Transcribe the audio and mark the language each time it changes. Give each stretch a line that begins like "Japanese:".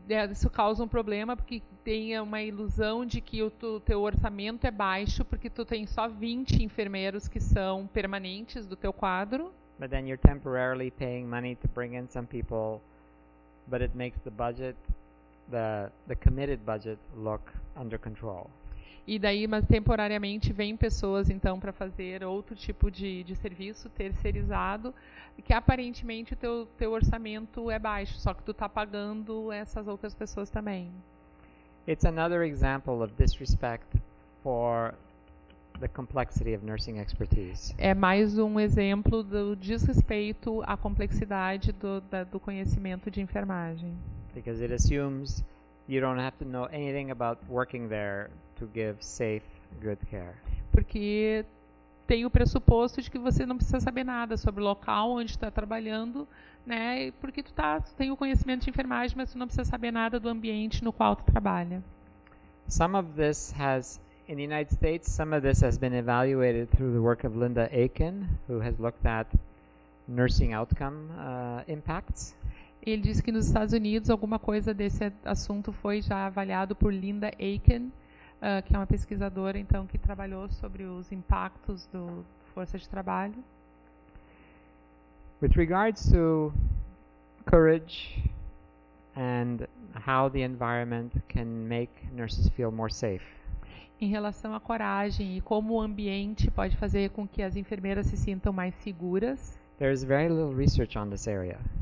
Portuguese: Isso causa um problema porque tem uma ilusão de que o teu orçamento é baixo porque tu tem só 20 enfermeiros que são permanentes do teu quadro.
English: But then you're temporarily paying money to bring in some people, but it makes the budget, the committed budget, look under control.
Portuguese: E daí, mas temporariamente vem pessoas então para fazer outro tipo de serviço terceirizado, que aparentemente o teu orçamento é baixo, só que tu está pagando essas outras pessoas também.
English: It's another example of disrespect for the complexity of nursing expertise.
Portuguese: É mais um exemplo do desrespeito à complexidade do conhecimento de enfermagem.
English: Because it assumes you don't have to know anything about working there to give safe, good care.
Portuguese: Porque tem o pressuposto de que você não precisa saber nada sobre o local onde está trabalhando, né? Porque tu tem o conhecimento de enfermagem, mas tu não precisa saber nada do ambiente no qual tu trabalha.
English: Some of this has, in the United States, some of this has been evaluated through the work of Linda Aiken, who has looked at nursing outcome impacts.
Portuguese: Ele disse que nos Estados Unidos alguma coisa desse assunto foi já avaliado por Linda Aiken, que é uma pesquisadora então que trabalhou sobre os impactos do força de trabalho.
English: With regards to courage and how the environment can make nurses feel more safe.
Portuguese: Em relação à coragem e como o ambiente pode fazer com que as enfermeiras se sintam mais seguras.
English: There is very little research on this area.